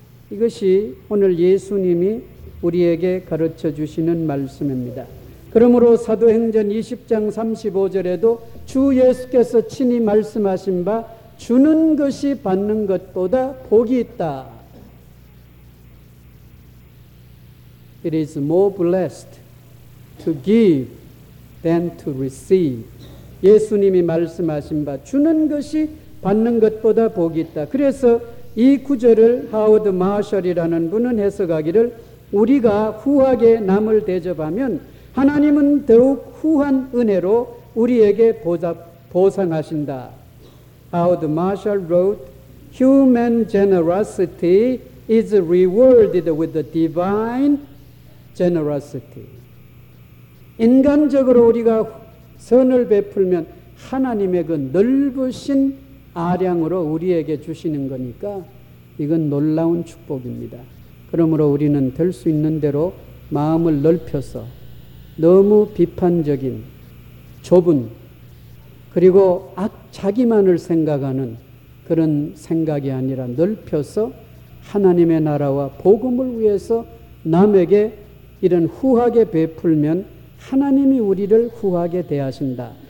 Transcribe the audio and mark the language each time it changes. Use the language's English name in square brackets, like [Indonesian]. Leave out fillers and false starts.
[Korean] 이것이 오늘 예수님이 우리에게 가르쳐 주시는 말씀입니다. 그러므로 사도행전 20장 35절에도 주 예수께서 친히 말씀하신 바 주는 것이 받는 것보다 복이 있다. [English] It is more blessed to give than to receive. [Korean] 예수님이 말씀하신 바 주는 것이 받는 것보다 복이 있다. 그래서 이 구절을 하워드 마셜이라는 분은 해석하기를 우리가 후하게 남을 대접하면 하나님은 더욱 후한 은혜로 우리에게 보상하신다. [English] 하워드 마셜 wrote, Human generosity is rewarded with the divine generosity. [Korean] 인간적으로 우리가 선을 베풀면 하나님의 그 넓으신 아량으로 우리에게 주시는 거니까 이건 놀라운 축복입니다. 그러므로 우리는 될 수 있는 대로 마음을 넓혀서 너무 비판적인 좁은 그리고 자기만을 생각하는 그런 생각이 아니라 넓혀서 하나님의 나라와 복음을 위해서 남에게 이런 후하게 베풀면 하나님이 우리를 후하게 대하신다.